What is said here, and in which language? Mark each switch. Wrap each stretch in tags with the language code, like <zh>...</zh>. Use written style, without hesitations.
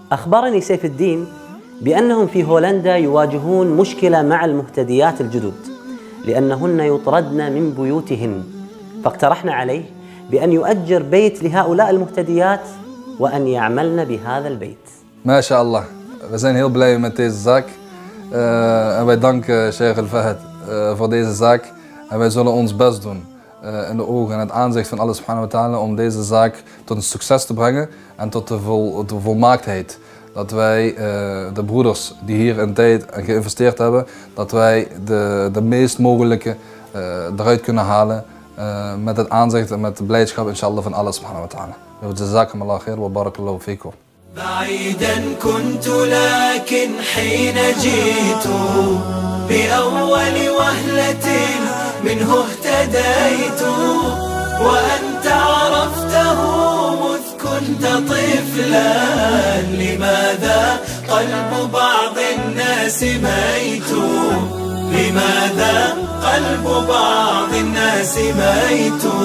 <ar>أخبرني سيف الدين بأنهم في هولندا يواجهون مشكلة مع المهتديات الجدد لأنهن يطردن من بيوتهن فاقترحنا عليه بأن يؤجر بيت لهؤلاء المهتديات وأن يعملن بهذا البيت. ما شاء الله.</ar> <nl>We zijn heel blij met deze zaak. En wij danken Sheikh Al-Fahd voor deze zaak. En wij zullen ons best doen in de ogen en het aanzicht van Allah subhanahu wa ta'ala om deze zaak tot een succes te brengen en tot de volmaaktheid. Dat wij de broeders die hier een tijd geïnvesteerd hebben, dat wij de meest mogelijke eruit kunnen halen met het aanzicht en met de blijdschap inshallah van Allah subhanahu wa ta'ala.</nl> <ar>Jazakumullah khair wa barakallahu fikum. بعيدا كنت لكن حين جئت بأول وهلة منه اهتديت وأنت عرفته مذ كنت طفلا لماذا قلب بعض الناس ميت لماذا قلب بعض الناس ميت</ar>